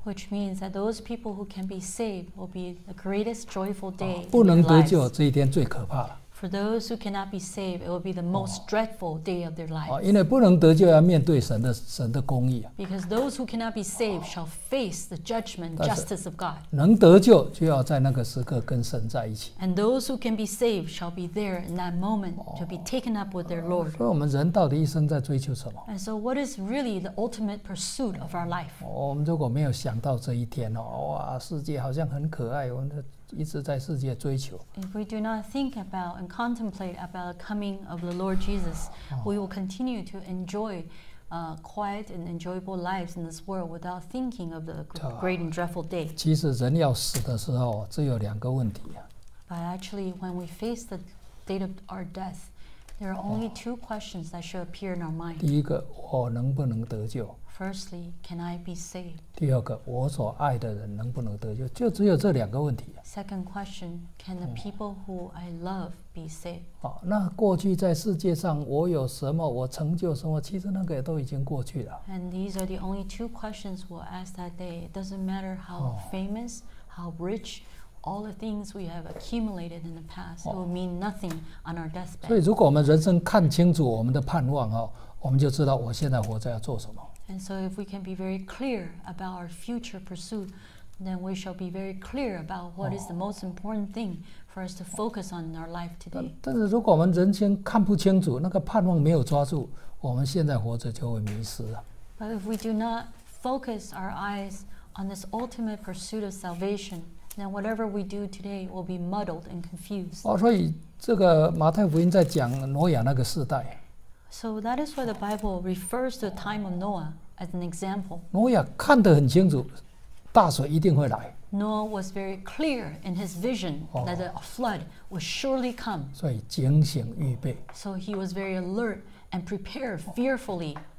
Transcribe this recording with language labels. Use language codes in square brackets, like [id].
[en] Which means that those people who can be saved will be the greatest joyful day. [zh] 不能得救，这一天最可怕了。 [en] For those who cannot be saved, it will be the most dreadful day of their lives. [zh] 因为不能得救要面对神的公义、啊、 [en] Because those who cannot be saved shall face the judgment and justice of God. [zh] 能得救就要在那个时刻跟神在一起。 [en] And those who can be saved shall be there in that moment to be taken up with their Lord. [zh] 所以我们人到底一生在追求什么? [en] And so what is really the ultimate pursuit of our life? [zh] 我们如果没有想到这一天、哦、哇世界好像很可爱我们的一直在世界追求。 [en] If we do not think about and contemplate about the coming of the Lord Jesus, we will continue to enjoy quiet and enjoyable lives in this world without thinking of the great and dreadful day. [zh] 其实人要死的时候，只有两个问题、啊、 [en] But actually, when we face the date of our death, there are only two questions that should appear in our mind. [zh] 第一个，我能不能得救？ [en] Firstly, can I be saved? [zh] 第二个，我所爱的人能不能得救？就只有这两个问题。 [en] Second question, can the people who I love be saved? [zh] 好，那过去在世界上我有什么，我成就什么，其实那个也都已经过去了。 [en] And these are the only two questions we'll ask that day. It doesn't matter how famous, how rich, all the things we have accumulated in the past will mean nothing on our deathbed. [zh] 所以如果我们人生看清楚我们的盼望，我们就知道我现在活着要做什么。 [en] And so if we can be very clear about our future pursuit, then we shall be very clear about what is the most important thing for us to focus on in our life today. [zh] 但是如果我们人生看不清楚，那个盼望没有抓住，我们现在活着就会迷失啊。 [en] But if we do not focus our eyes on this ultimate pursuit of salvation, then whatever we do today will be muddled and confused. [zh] 所以这个马太福音在讲挪亚那个世代。 [en] So that is why the Bible refers to the time of Noah as an example. [zh] Noah 看得很清楚，大水一定会来。 [en] Noah was very clear in his vision that a flood would surely come. [zh] 所以警醒预备。 [en] So he was very alert and prepared fearfully.